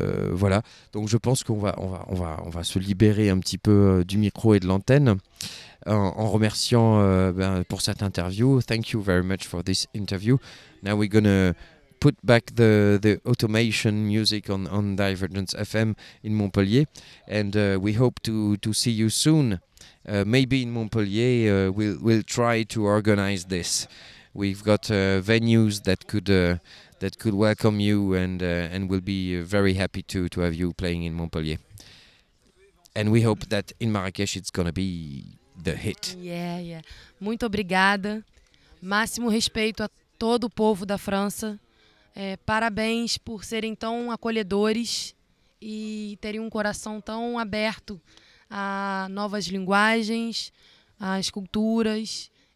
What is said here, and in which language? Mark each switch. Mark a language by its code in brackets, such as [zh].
[fr] Voilà, donc je pense qu'on va se libérer un petit peu du micro et de l'antenne en remerciant pour cette interview. [en] Thank you very much for this interview. Now we're gonna put back the automation music on Divergence FM in Montpellier, and we hope to see you soon. Maybe in Montpellier, we'll try to organize this. We've got venues that could welcome you, and we'll be very happy to have you playing in Montpellier. And we hope that in Marrakech it's gonna be the hit. [pt] Yeah, yeah. Muito obrigada. Máximo respeito a todo o povo da França. Parabéns por serem tão acolhedores e terem um coração tão aberto a novas linguagens, às culturas.